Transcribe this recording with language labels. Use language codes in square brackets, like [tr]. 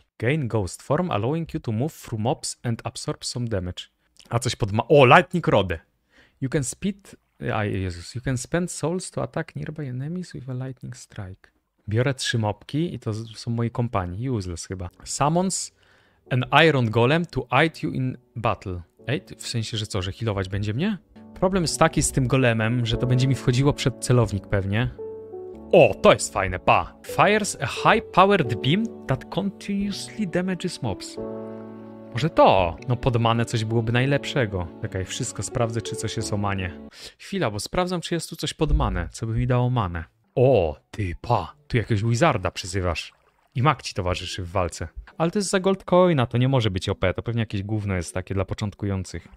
[en] Gain ghost form, allowing you to move through mobs and absorb some damage. [pl] A coś pod ma... O, lightning rod! [en] You can speed... [pl] Aj, Jezus. [en] You can spend souls to attack nearby enemies with a lightning strike. [pl] Biorę trzy mopki i to są moi kompani. Useless chyba. [en] Summons an iron golem to aid you in battle. [pl] Ej, w sensie, że co, że healować będzie mnie? Problem jest taki z tym golemem, że to będzie mi wchodziło przed celownik pewnie. O, to jest fajne, pa! [en] Fires a high-powered beam that continuously damages mobs. [pl] Może to? No pod manę coś byłoby najlepszego. Czekaj, wszystko sprawdzę, czy coś jest o manie. Chwila, bo sprawdzam, czy jest tu coś pod manę, co by mi dało manę. O, ty, pa! Tu jakiegoś wizarda przyzywasz. I mag ci towarzyszy w walce. Ale to jest za gold coina, to nie może być OP. To pewnie jakieś gówno jest takie dla początkujących.